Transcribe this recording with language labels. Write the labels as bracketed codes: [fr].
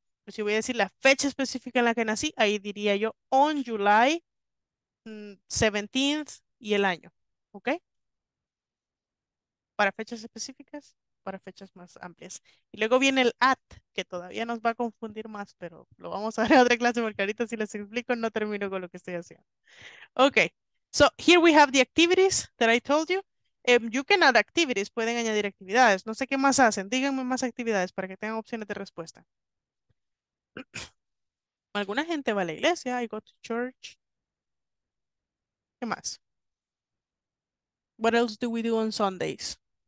[es] Pero si voy a decir la fecha específica en la que nací, ahí diría yo [en] on July 17th [es] y el año. ¿Ok? Para fechas específicas, para fechas más amplias. Y luego viene el at, que todavía nos va a confundir más, pero lo vamos a ver en otra clase, porque ahorita si les explico no termino con lo que estoy haciendo. Ok. [en] So, here we have the activities that I told you. You can add activities. [es] Pueden añadir actividades. No sé qué más hacen. Díganme más actividades para que tengan opciones de respuesta. ¿Alguna gente va a la iglesia? [en] I go to church. [es] ¿Qué más? [en] What else do we do on Sundays?